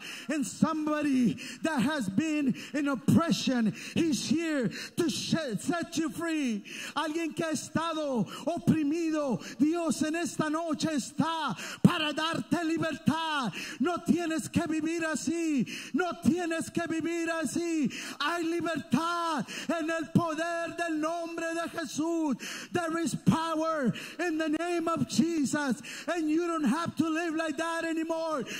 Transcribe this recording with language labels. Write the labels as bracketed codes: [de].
[en] And somebody that has been in oppression, He's here to set you free. [es] Alguien que ha estado oprimido, Dios en esta noche está para darte libertad. No tienes que vivir así. No tienes que vivir así. Hay libertad en el poder del nombre de Jesús. [en] There is power in the name of Jesus, and you don't have to live like that anymore.